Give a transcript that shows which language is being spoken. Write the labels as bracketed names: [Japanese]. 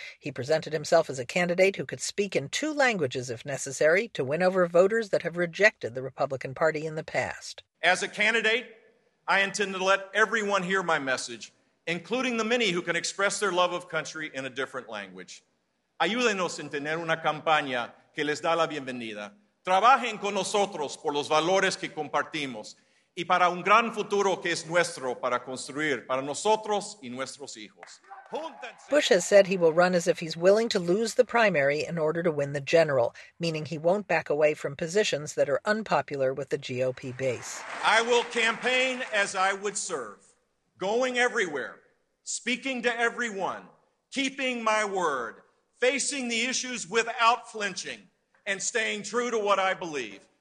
[English] He presented himself as a candidate who could speak in two languages if necessary to win over voters that have rejected the Republican Party in the past. As a candidate, I intend to let everyone hear my message, including the many who can express their love of country in a different language. [Spanish] Ayúdenos en tener una campaña que les da la bienvenida. Trabajen con nosotros por los valores que compartimos y para un gran futuro que es nuestro para construir para nosotros y nuestros hijos. [English] Bush has said he will run as if he's willing to lose the primary in order to win the general, meaning he won't back away from positions that are unpopular with the GOP base. I will campaign as I would serve. Going everywhere, speaking to everyone, keeping my word, facing the issues without flinching, and staying true to what I believe.